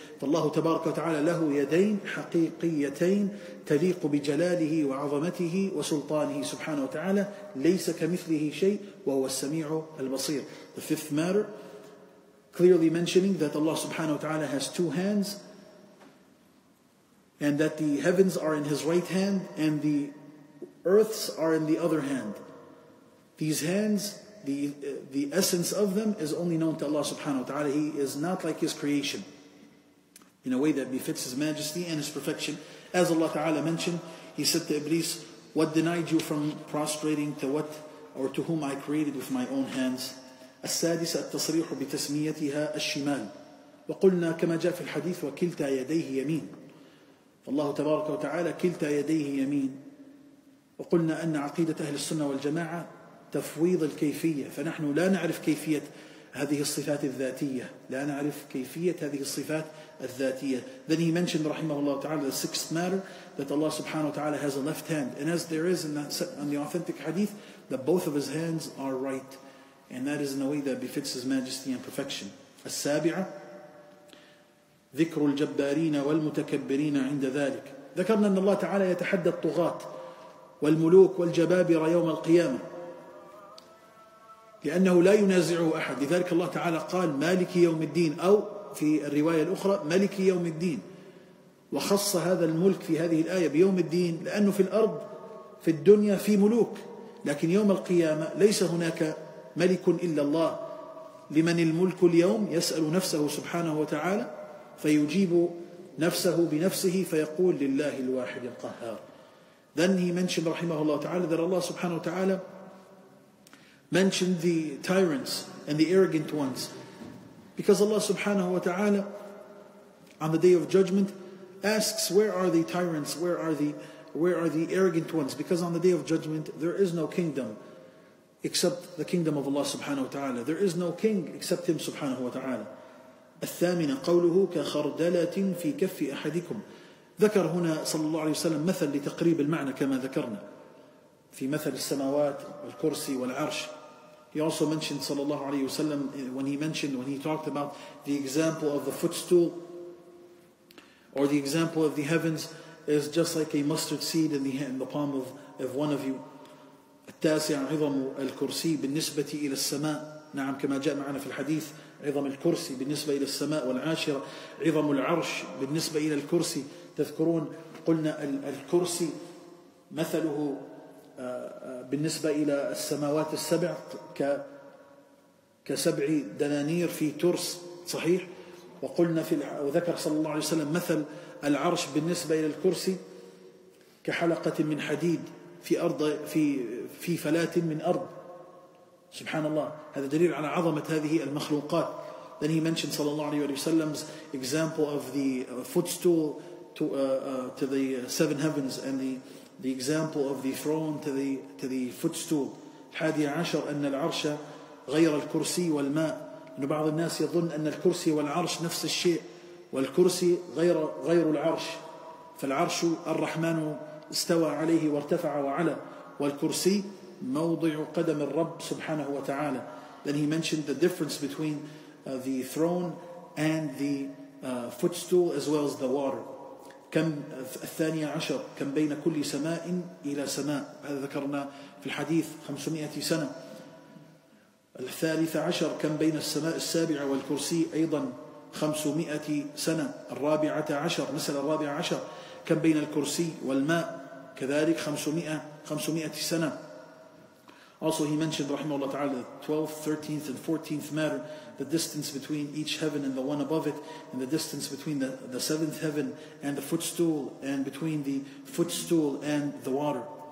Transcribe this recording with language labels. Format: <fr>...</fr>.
<ar>فالله تبارك وتعالى له يدين حقيقيتين تليق بجلاله وعظمته وسلطانه سبحانه وتعالى, ليس كمثله شيء وهو السميع البصير.</ar> <en>The fifth matter, clearly mentioning that Allah subhanahu wa ta'ala has two hands, and that the heavens are in his right hand and the earths are in the other hand. These hands, the essence of them is only known to Allah subhanahu wa ta'ala. He is not like his creation in a way that befits his majesty and his perfection. As Allah ta'ala mentioned, he said to Iblis, what denied you from prostrating to what or to whom I created with my own hands?</en> <ar>السادسة التصريح بتسميتها الشمال. وقلنا كما جاء في الحديث وكلتا يديه يمين. الله تبارك وتعالى كلتا يديه يمين. وقلنا أن عقيدة أهل السنة والجماعة تفويض الكيفية, فنحن لا نعرف كيفية هذه الصفات الذاتية, لا نعرف كيفية هذه الصفات الذاتية.</ar> <en>Then he mentioned رحمه الله تعالى the sixth matter, that Allah subhanahu wa ta'ala has a left hand, and as there is in the authentic hadith that both of his hands are right, and that is in a way that befits his majesty and perfection.</en> <ar>السابعة ذكر الجبارين والمتكبرين عند ذلك. ذكرنا أن الله تعالى يتحدى الطغاة والملوك والجبابرة يوم القيامة. لأنه لا ينازعه أحد. لذلك الله تعالى قال مالك يوم الدين، أو في الرواية الأخرى ملك يوم الدين، وخص هذا الملك في هذه الآية بيوم الدين، لأنه في الأرض في الدنيا في ملوك، لكن يوم القيامة ليس هناك ملك إلا الله. لمن الملك اليوم؟ يسأل نفسه سبحانه وتعالى فيجيب نفسه بنفسه فيقول لله الواحد القهار.</ar> <en>ذنهي منشن رحمه الله تعالى، ذر الله سبحانه وتعالى mention the tyrants and the arrogant ones, because Allah subhanahu wa ta'ala on the day of judgment asks, where are the tyrants, where are the arrogant ones? Because on the day of judgment there is no kingdom except the kingdom of Allah subhanahu wa ta'ala. There is no king except him subhanahu wa ta'ala.</en> <ar>الثامنة قوله كخردلاتٍ في كف أحدكم. ذكر هنا صلى الله عليه وسلم مثل لتقريب المعنى كما ذكرنا في مثل السماوات والكرسي والعرش.</ar> <en>He also mentioned صلى الله عليه وسلم when he talked about the example of the footstool or the example of the heavens is just like a mustard seed in the palm of one of you.</en> <ar>التاسع عظم الكرسي بالنسبة إلى السماء. نعم كما جاء معنا في الحديث عظم الكرسي بالنسبة إلى السماء. والعاشرة عظم العرش بالنسبة إلى الكرسي. تذكرون قلنا الكرسي مثله بالنسبة إلى السماوات السبع كسبع دنانير في ترس، صحيح؟ وقلنا في وذكر صلى الله عليه وسلم مثل العرش بالنسبة إلى الكرسي كحلقة من حديد في أرض في فلات من أرض. سبحان الله، هذا دليل على عظمة هذه المخلوقات.</ar> <en>Then he mentioned صلى الله عليه وسلم's example of the footstool to the seven heavens and the example of the throne to the footstool.</en> <ar>الحادي عشر أن العرش غير الكرسي والماء. أن بعض الناس يظن أن الكرسي والعرش نفس الشيء، والكرسي غير العرش. فالعرش الرحمن استوى عليه وارتفع وعلى، والكرسي موضع قدم الرب سبحانه وتعالى.</ar> <en>Then he mentioned the difference between the throne and the footstool as well as the water.</en> <ar>كم الثانية عشر كم بين كل سماء إلى سماء، هذا ذكرنا في الحديث 500 سنة. الثالثة عشر كم بين السماء السابعة والكرسي أيضا 500 سنة. الرابعة عشر مثل الرابعة عشر كم بين الكرسي والماء كذلك 500 سنة.</ar> <en>Also he mentioned رحمه الله تعالى the 12th, 13th and 14th matter, the distance between each heaven and the one above it, and the distance between the seventh heaven and the footstool, and between the footstool and the water.</en>